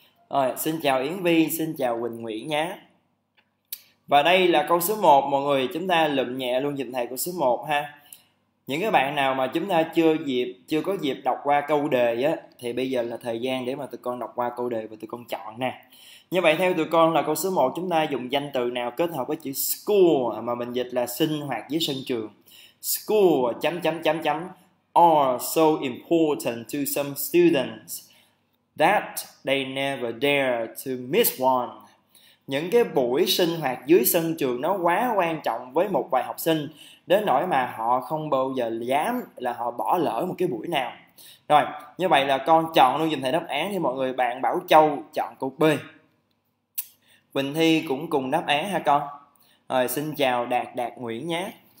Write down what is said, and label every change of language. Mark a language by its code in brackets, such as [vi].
[vi] Rồi, xin chào Yến Vi, xin chào Quỳnh Nguyễn nhé. Và đây là câu số 1 mọi người, chúng ta lượm nhẹ luôn giùm thầy câu số 1 ha. Những cái bạn nào mà chúng ta chưa có dịp đọc qua câu đề á thì bây giờ là thời gian để mà tụi con đọc qua câu đề và tụi con chọn nè. Như vậy theo tụi con là câu số 1 chúng ta dùng danh từ nào kết hợp với chữ school mà mình dịch là sinh hoạt với sân trường. [en] School chấm chấm chấm chấm are so important to some students that they never dare to miss one. [vi] Những cái buổi sinh hoạt dưới sân trường nó quá quan trọng với một vài học sinh đến nỗi mà họ không bao giờ dám là họ bỏ lỡ một cái buổi nào. Rồi, như vậy là con chọn luôn giùm thầy đáp án thì mọi người, bạn Bảo Châu chọn câu B. Quỳnh Thi cũng cùng đáp án ha con. Rồi xin chào Đạt Đạt Nguyễn nhé.